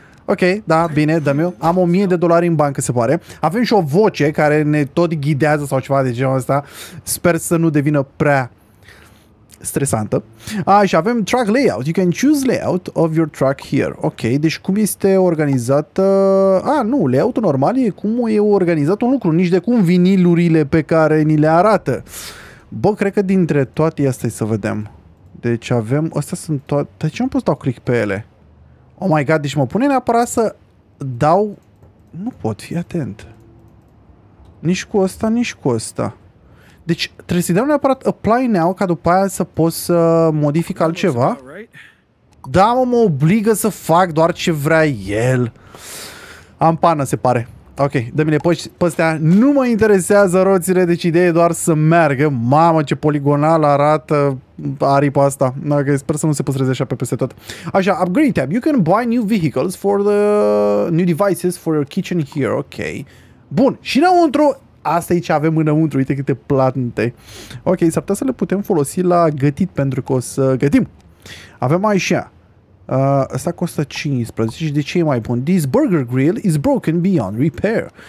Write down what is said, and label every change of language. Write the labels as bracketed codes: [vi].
[ro] Ok, da, bine, dă-mi eu, am $1000 în bancă, se pare. Avem și o voce care ne tot ghidează sau ceva de genul ăsta, sper să nu devină prea stresantă. Și avem [en] truck layout, you can choose layout of your truck here. [ro] Ok, deci cum este organizată, nu, layout-ul normal e cum e organizat un lucru, nici de cum vinilurile pe care ni le arată. Bă, cred că dintre toate astea să vedem. Deci avem, astea sunt toate. De ce am pus să dau click pe ele? [en] Oh my god, [ro] deci mă pune neapărat să dau. Nu pot, fi atent. Nici cu ăsta, nici cu ăsta. Deci trebuie să-i dau neapărat apply now, ca după aia să pot să modific altceva. Da, mă obligă să fac doar ce vrea el. Am pană, se pare. Ok, dă-mi de păstea, nu mă interesează roțile, deci ideea e doar să meargă. Mamă, ce poligonal arată aripa asta. Ok, sper să nu se păstreze așa pe peste tot. Așa, upgrade tab. [en] You can buy new vehicles for the new devices for your kitchen here. [ro] Ok. Bun, și înăuntru, asta e ce avem înăuntru, uite câte plante. Ok, s-ar putea să le putem folosi la gătit pentru că o să gătim. Avem așa. Asta costă 15, și de ce e mai bun? [en] This burger grill is broken beyond repair.